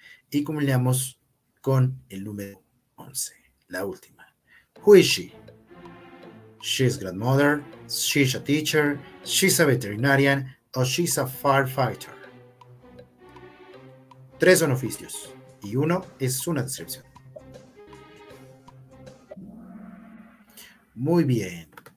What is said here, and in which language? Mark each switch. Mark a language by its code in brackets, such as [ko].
[es] Y cumplimos con el número 11. La última. [en] Who is she? She's grandmother, she's a teacher, she's a veterinarian, or she's a firefighter. [es] Tres son oficios y uno es una descripción. Muy bien.